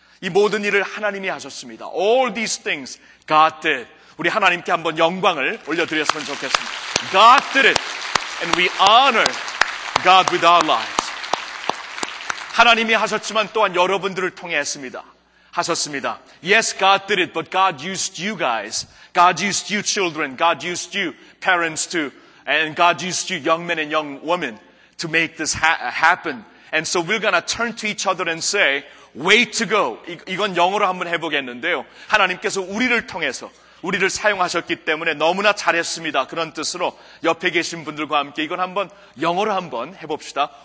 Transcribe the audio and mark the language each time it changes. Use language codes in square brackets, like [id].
[ko] 이 모든 일을 하나님이 하셨습니다. [en] All these things God did. [ko] 우리 하나님께 한번 영광을 올려드렸으면 좋겠습니다. [en] God did it. And we honor God with our lives. [ko] 하나님이 하셨지만 또한 여러분들을 통해 했습니다. 하셨습니다. [en] Yes, God did it, but God used you guys. God used you children. God used you parents too. And God used you young men and young women to make this happen. And so we're going to turn to each other and say, way to go. [ko] 이건 영어로 한번 해보겠는데요. 하나님께서 우리를 통해서 우리를 사용하셨기 때문에 너무나 잘했습니다. 그런 뜻으로 옆에 계신 분들과 함께 이건 한번 영어로 한번 해봅시다.